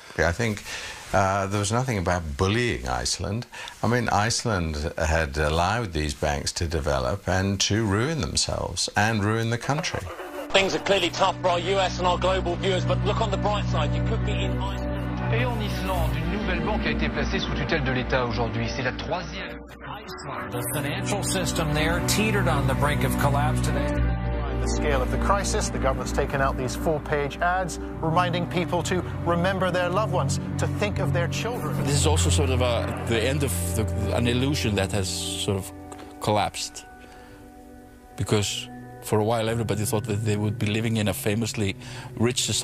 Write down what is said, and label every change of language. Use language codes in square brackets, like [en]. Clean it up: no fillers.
[en] I think there was nothing about bullying Iceland. I mean, Iceland had allowed these banks to develop and to ruin themselves and ruin the country. Things are clearly tough for our US and our global viewers, but look on the bright side, you could be in Iceland. [fr] Et en Islande, une nouvelle banque a été placée sous tutelle de l'État aujourd'hui. C'est la troisième. [en] The financial system there teetered on the brink of collapse today. The scale of the crisis, the government's taken out these four-page ads reminding people to remember their loved ones, to think of their children. This is also sort of the end of an illusion that has sort of collapsed, because for a while everybody thought that they would be living in a famously rich society where everybody was moving around money,